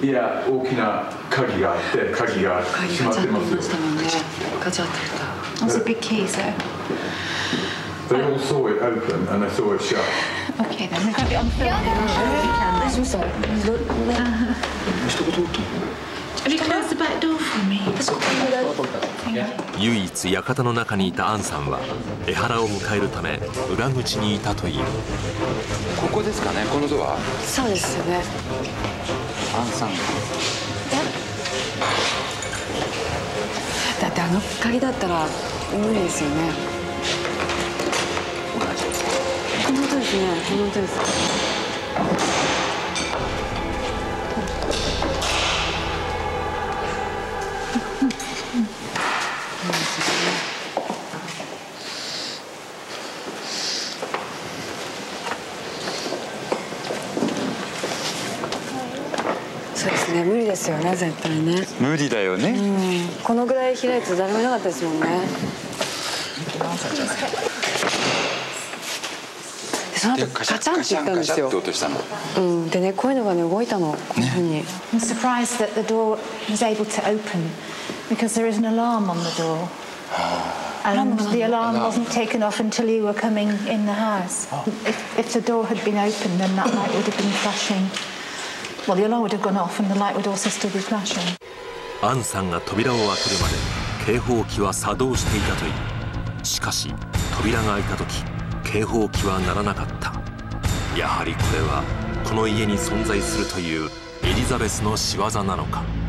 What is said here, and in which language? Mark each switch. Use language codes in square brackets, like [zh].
[ja] Yeah, 大きな鍵があって、鍵が閉まってますよ。鍵がかかっちゃってました。 [en] It's a big key, so... They all saw it open, and I saw it shut. Okay, then. We have it on film. Yeah, yeah, yeah. Oh, yeah. Can. This is what it's like. Look, look. Can you close the back door for me? It's got a little... Thank you. [ja] 唯一館の中にいたアンさんは江原を迎えるため裏口にいたという。ここですかね、このドア。そうですよね、アンさん。だってあの鍵だったら無理ですよね。この音ですね、この音です。無理ですよね、絶対ね。無理だよね、うん、このぐらい開いて誰もいなかったですもんね。その後カチャンって言ったんですよ。カシャンカシャンって音したの、うん、でね、こういうのがね、動いたの。 [en] I'm surprised that the door was able to open because there is an alarm on the door and the alarm wasn't taken off until you were coming in the house. If the door had been open, then that light would have been flashing [ja] アンさんが扉を開けるまで警報器は作動していたという。しかし扉が開いた時警報器は鳴らなかった。やはりこれはこの家に存在するというエリザベスの仕業なのか。